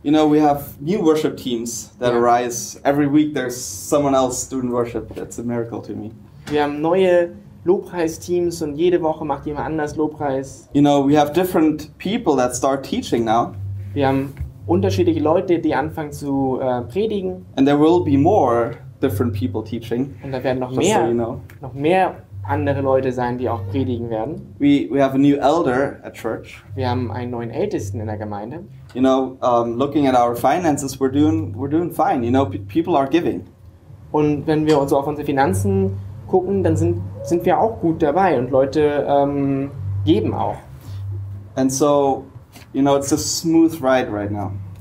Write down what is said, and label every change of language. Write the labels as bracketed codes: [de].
[en] You know, we have new worship teams that arise. Every week, there's someone else doing worship. That's a miracle to me. [de] Wir haben neue Lobpreisteams und jede Woche macht jemand anders Lobpreis. [en] You know, we have different people that start teaching now. [de] Wir haben unterschiedliche Leute, die anfangen zu predigen. [en] And there will be more different people teaching. [de] Und da werden noch mehr andere Leute sein, die auch predigen werden. [en] We have a new elder at church. [de] Wir haben einen neuen Ältesten in der Gemeinde. [en] You know, looking at our finances, we're doing fine. You know, people are giving. [de] Und wenn wir uns auf unsere Finanzen gucken, dann sind wir auch gut dabei und Leute geben auch. [en] And so, you know, it's a smooth ride right now.